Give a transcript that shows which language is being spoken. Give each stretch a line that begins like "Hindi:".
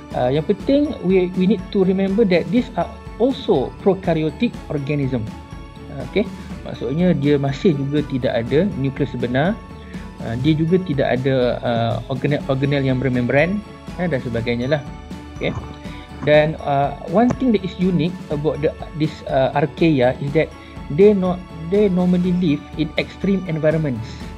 Malay: Yang penting,
English: we need to remember that these are also prokaryotic organism.
Malay: Okey, maksudnya dia masih juga tidak ada nukleus sebenar, dia juga tidak ada organel-organel yang bermembran dan sebagainya lah.
English: Okey, dan one thing that is unique about this archaea is that they normally live in extreme environments.